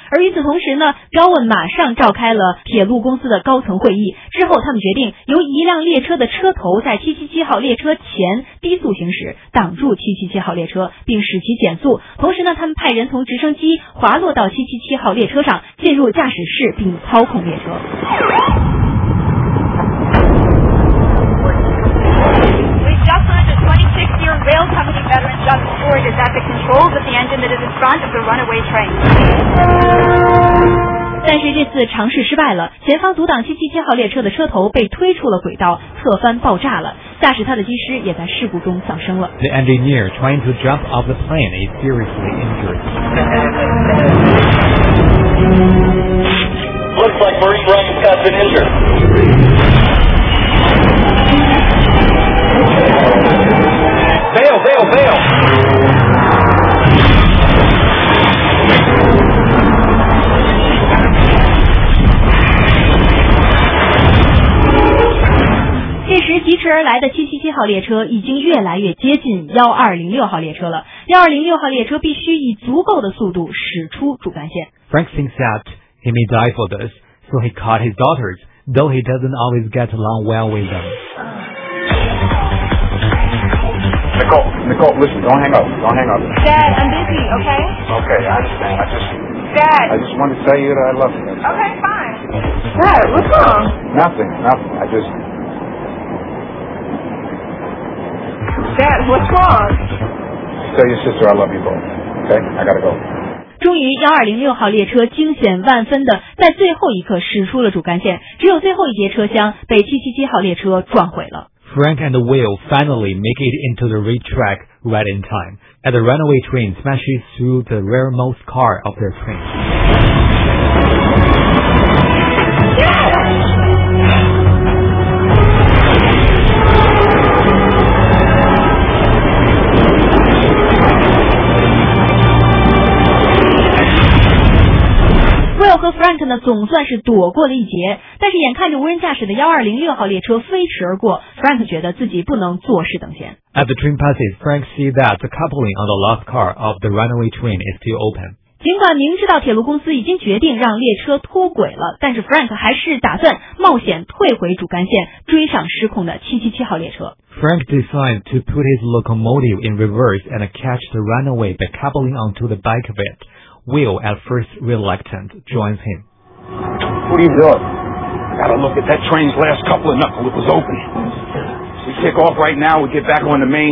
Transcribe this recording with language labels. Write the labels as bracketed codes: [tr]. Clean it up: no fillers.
[zh] 而与此同时呢 ，Gowan 马上召开了铁路公司的高层会议，之后他们决定由一辆列车的车头在777号列车前低速行驶，挡住777号列车，并使其减速。同时呢，他们派人从直升机滑落到777号列车上，进入驾驶室并操控列车。 [en] We've just landed 26-year rail company veteran Justin Ford is at the controls of the engine that is in front of the runaway train. [zh] 但是这次尝试失败了，前方阻挡777号列车的车头被推出了轨道，侧翻爆炸了，驾驶他的机师也在事故中丧生了。 [en] The engineer trying to jump off the plane is seriously injured. Looks like Bruce Brown's got been injured. [zh] Fail! 届时疾驰而来的777号列车已经越来越接近1206号列车了。 1206号列车必须以足够的速度驶出主干线。 [en] Frank thinks that he may die for this. So he caught his daughters, though he doesn't always get along well with them. Nicole, listen, don't hang up. Dad, I'm busy, okay? Okay, I understand. I just wanted to tell you that I love you. Okay, fine. Dad, what's wrong? Nothing. Dad, what's wrong? Just tell your sister I love you both, okay? I gotta go. [zh] 终于1206号列车惊险万分的在最后一刻驶出了主干线，只有最后一节车厢被777号列车撞毁了。 [en] Frank and Will finally make it into the rail track right in time, as the runaway train smashes through the rearmost car of their train. Dad! [zh] Will 和 Frank 呢总算是躲过了一劫，但是眼看着无人驾驶的1206号列车飞驰而过， Frank 觉得自己不能坐视等闲。 [en] At the train passes, Frank sees that the coupling on the last car of the runaway train is still open. [zh] 尽管明知道铁路公司已经决定让列车脱轨了，但是 Frank 还是打算冒险退回主干线，追上失控的777号列车。 [en] Frank decides to put his locomotive in reverse and catch the runaway by coupling onto the back of it. Will, at first reluctant, joins him. What are you doing? I gotta look at that train's last couple of knuckles. It was open. We kick off right now. We get back on the main.